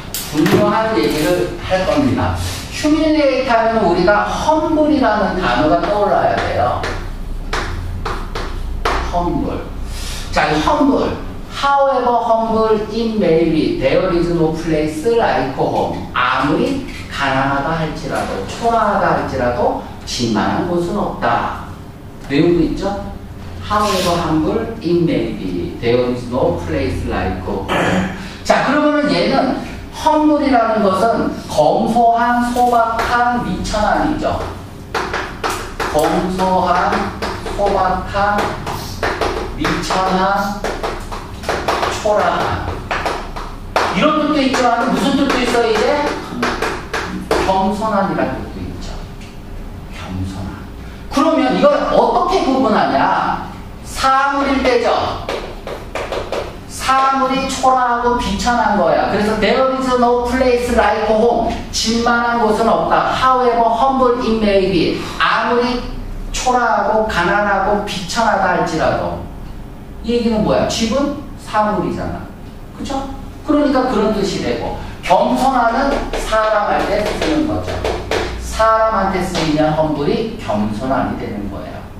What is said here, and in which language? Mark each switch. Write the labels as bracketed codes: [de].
[ko] 중요한 얘기를 할 겁니다. 휴밀레이트 하면 우리가 험블이라는 단어가 떠올라야 돼요. 험블. 자, 험블. [en] However humble it may be, there is no place like home. [ko] 아무리 가난하다 할지라도, 초라하다 할지라도, 지만한 곳은 없다. 내용도 있죠? [en] However humble it may be, there is no place like home. [ko] 자, 그러면 얘는 humble이라는 것은 검소한, 소박한, 미천한이죠. 검소한, 소박한, 미천한, 호랑. 이런 뜻도 있지만 무슨 뜻도 있어요 이제? 겸손한이라는 뜻도 있죠. 겸손한. 그러면 이걸 어떻게 구분하냐? 사물일 때죠. 사물이 초라하고 비천한 거야. [en] 그래서 there is no place like home. [ko] 집만한 곳은 없다. [en] However humble it may be. [ko] 아무리 초라하고 가난하고 비천하다 할지라도. 이 얘기는 뭐야? 집은? 사물이잖아. 그쵸? 그러니까 그런 뜻이 되고, 겸손하는 사람할 때 쓰는 거죠. 사람한테 쓰이면 험불이 겸손함이 되는 거예요.